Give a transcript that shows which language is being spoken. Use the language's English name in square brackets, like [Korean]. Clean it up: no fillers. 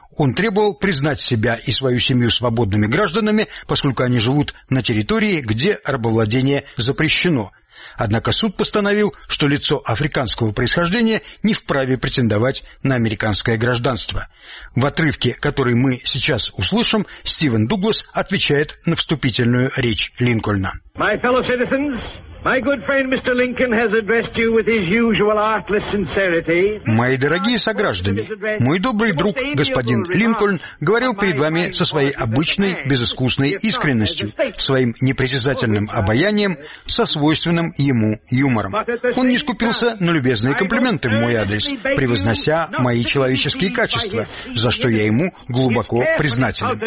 [Russian] Он требовал признать себя и свою семью свободными гражданами, поскольку они живут на территории, где рабовладение запрещено. Однако суд постановил, что лицо африканского происхождения не вправе претендовать на американское гражданство. В отрывке, который мы сейчас услышим, Стивен Дуглас отвечает на вступительную речь Линкольна. [English] My fellow citizens, my good friend Mr. Lincoln has addressed you with his usual artless sincerity. [Russian] Мои дорогие сограждане, мой добрый друг, господин Линкольн, говорил перед вами со своей обычной, безыскусной искренностью, своим непритязательным обаянием, со свойственным ему юмором. Он не скупился на любезные комплименты в мой адрес, превознося мои человеческие качества, за что я ему глубоко признателен.